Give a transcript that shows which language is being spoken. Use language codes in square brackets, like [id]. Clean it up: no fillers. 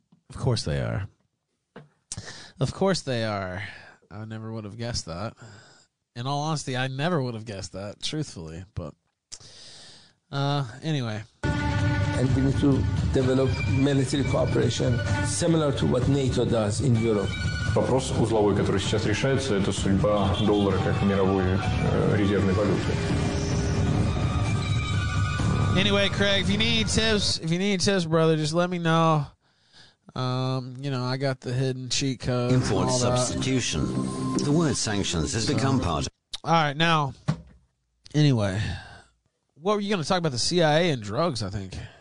[en] Of course they are. Of course they are. I never would have guessed that. In all honesty, I never would have guessed that, truthfully. But anyway. And we need to develop military cooperation similar to what NATO does in Europe. [ru] Вопрос узловой, который сейчас решается, это судьба доллара как мировой резервной валюты. [en] Anyway, Craig, if you need tips, brother, just let me know. You know, I got the hidden cheat code. Import substitution. The word sanctions has become part of. All right, now. Anyway, what were you going to talk about? The CIA and drugs, I think.